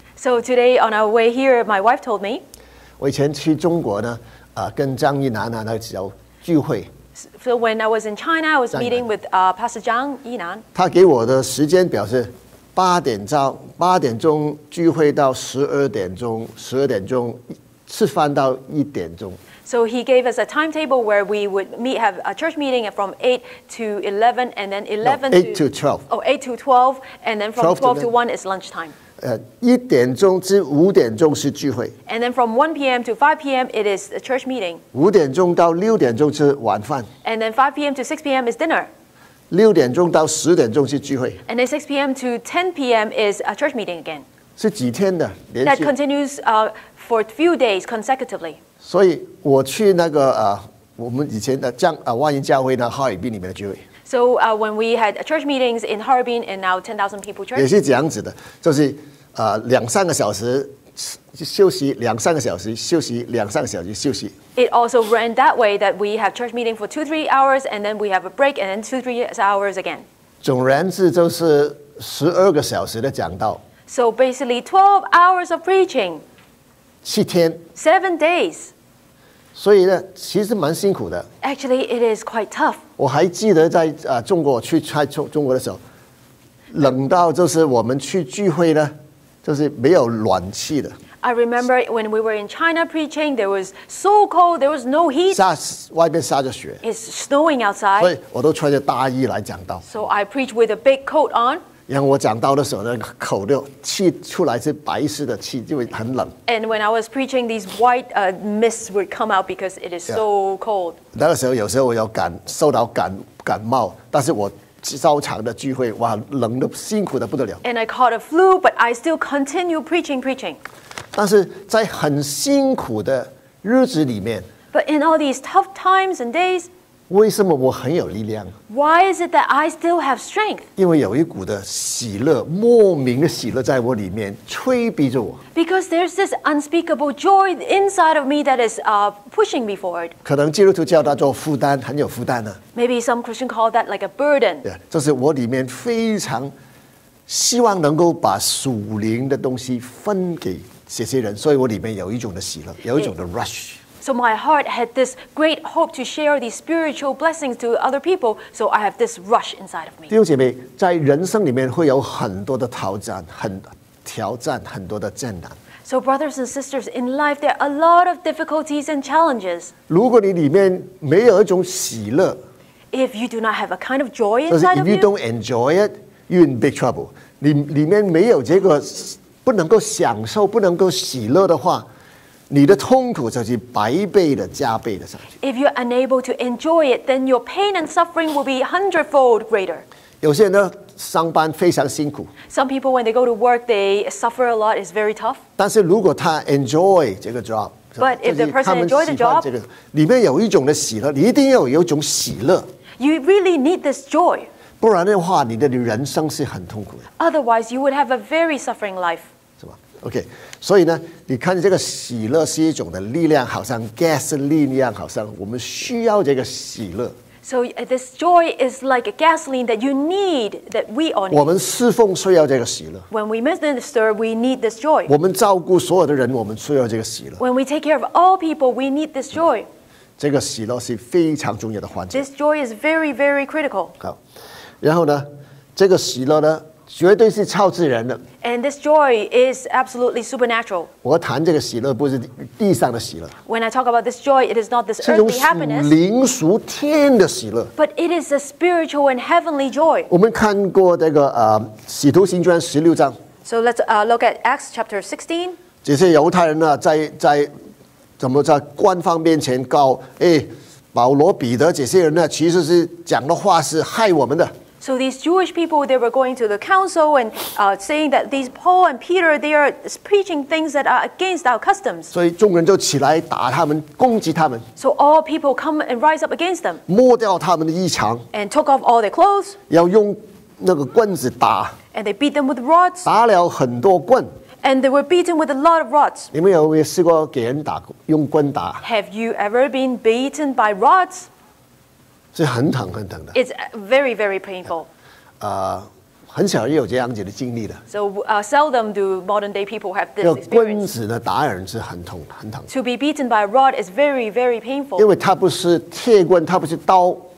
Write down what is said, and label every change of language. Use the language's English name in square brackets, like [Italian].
[English] so today on our way here, my wife told me, [Chinese] 我以前去中国呢, 跟张一楠那时候聚会。 [English] So when I was in China, I was meeting with Pastor Zhang Yinan. [Chinese] 他给我的时间表是八点钟聚会到十二点钟吃饭到一点钟。 [English] So he gave us a timetable where we would meet, have a church meeting from 8 to 11, and then 11 no, 8 to 12. Oh, 8 to 12, and then from 12 to 1 is lunchtime. [Chinese] 一点钟至五点钟是聚会。 [English] And then from 1 p.m. to 5 p.m. it is a church meeting. [Chinese] 五点钟到六点钟是晚饭。 [English] And then 5 p.m. to 6 p.m. is dinner. [Chinese] 六点钟到十点钟是聚会。 [English] And then 6 p.m. to 10 p.m. is a church meeting again. [Chinese] 是几天的连续。 [English] That continues for a few days consecutively. [Chinese] 所以我去那个我们以前的万人教会呢，哈尔滨里面的聚会。 [English] So when we had church meetings in Harbin and now 10,000 people church, [Chinese] 也是这样子的，就是两三个小时休息，两三个小时休息，两三个小时休息。 [English] It also ran that way that we have church meeting for 2-3 hours and then we have a break and then 2-3 hours again. [Chinese] 总然是就是十二个小时的讲道。 [English] So basically 12 hours of preaching. [Chinese] 七天。 [English] 7 days. [Chinese] 所以呢，其实蛮辛苦的。 [English] Actually, it is quite tough. [Chinese] 我还记得在中国去在中国的时候，冷到就是我们去聚会呢，就是没有暖气的。 [English] I remember when we were in China preaching, there was so cold, there was no heat. [Chinese] 下外边下着雪。 [English] It's snowing outside. [Chinese] 所以我都穿着大衣来讲道。 [English] So I preach with a big coat on. [Chinese] 然后我讲道的时候呢，口的气出来是白色的气，因为很冷。 [English] And when I was preaching, these white mists would come out because it is so cold. [Chinese] 那个时候有时候我有受到感冒，但是我照常的聚会，哇，冷的辛苦的不得了。 [English] And I caught a flu, but I still continue preaching. [Chinese] 但是在很辛苦的日子里面 [English] ，But in all these tough times and days. [Chinese] 为什么我很有力量 [English] ？Why is it that I still have strength？ [Chinese] 因为有一股的喜乐，莫名的喜乐在我里面催逼着我。 [English] Because there's this unspeakable joy inside of me that is pushing me forward. [Chinese] 可能基督徒叫它做负担，很有负担呢。 [English] Maybe some Christian call that like a burden. [Chinese] 对，就是我里面非常希望能够把属灵的东西分给这些人，所以我里面有一种的喜乐，有一种的 rush。 [English] So my heart had this great hope to share these spiritual blessings to other people, so I have this rush inside of me. [Chinese] 弟兄姐妹，在人生里面会有很多的挑战，很多的艰难。 [English] So brothers and sisters, in life there are a lot of difficulties and challenges. [Chinese] 如果你里面没有一种喜乐, [English] if you do not have a kind of joy inside of you, if you don't enjoy it, you're in big trouble. [Chinese] 里面没有这个不能够享受不能够喜乐的话你的痛苦就是百倍的加倍的上去。 [English] If you're unable to enjoy it, then your pain and suffering will be hundredfold greater. [Chinese] 有些人上班非常辛苦。 [English] Some people, when they go to work, they suffer a lot. It's very tough. [Chinese] 但是如果他 enjoy 这个 job, [English] but if the person enjoy the job, [Chinese] 里面有一种的喜乐，你一定要有一种喜乐。 [English] You really need this joy. [Chinese] 不然的话，你的人生是很痛苦的。 [English] Otherwise, you would have a very suffering life. [Chinese] OK, 所以呢你看这个喜乐是一种的力量好像 gasoline 一样好像我们需要这个喜乐。 [English] So this joy is like a gasoline that you need, that we all need. [Chinese] 我们侍奉需要这个喜乐。 [English] When we minister, we need this joy. [Chinese] 我们照顾所有的人我们需要这个喜乐。 [English] When we take care of all people, we need this joy. [Chinese] 这个喜乐是非常重要的环节。 [English] This joy is very, very critical. [Chinese] 好。然后呢这个喜乐呢绝对是超自然的。 [English] And this joy is absolutely supernatural. [Chinese] 我谈这个喜乐不是地上的喜乐。 [English] When I talk about this joy, it is not this earthly happiness. [Chinese] 是一种属灵属天的喜乐。 [English] But it is a spiritual and heavenly joy. [Chinese] 我们看过这个使徒行传十六章。 [English] So let's look at Acts chapter 16. [Chinese] 这些犹太人呢，在怎么在官方面前告保罗、彼得这些人呢，其实是讲的话是害我们的。 [English] So these Jewish people, they were going to the council and saying that these Paul and Peter, they are preaching things that are against our customs. [Chinese] 所以众人就起来打他们，攻击他们。 [English] So all people come and rise up against them. [Chinese] 摸掉他们的衣裳。 [English] And took off all their clothes. [Chinese] 要用那个棍子打。 [English] And they beat them with rods. [Chinese] 打了很多棍。 [English] And they were beaten with a lot of rods. [Chinese] 你们有没有试过给人打，用棍打？ [English] Have you ever been beaten by rods? [Chinese] 是很疼很疼的。 [English] It's very, very painful. [Chinese] 很少有这样子的经历的。 [English] So, seldom do modern day people have this experience. [Chinese] 棍子的打人是很痛很疼。 [English] To be beaten by a rod is very, very painful. [Chinese] 因为它不是铁棍，它不是刀。